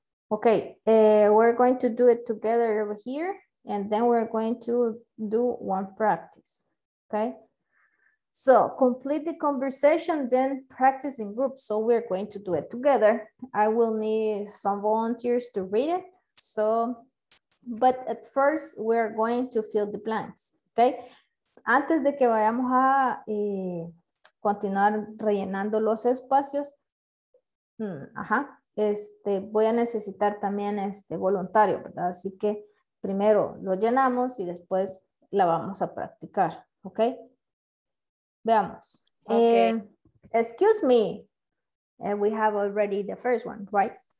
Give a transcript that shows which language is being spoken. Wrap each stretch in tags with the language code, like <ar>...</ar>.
<en>Okay, we're going to do it together over here, and then we're going to do one practice. Okay, so complete the conversation, then practice in groups. So we're going to do it together. I will need some volunteers to read it. So, but at first, we're going to fill the blanks. Okay.</en> <es>Antes de que vayamos a continuar rellenando los espacios, voy a necesitar también voluntario, ¿verdad? Así que primero lo llenamos y después la vamos a practicar, ¿ok? Veamos. Okay.</es> <en>Excuse me, we have already the first one, right?</en>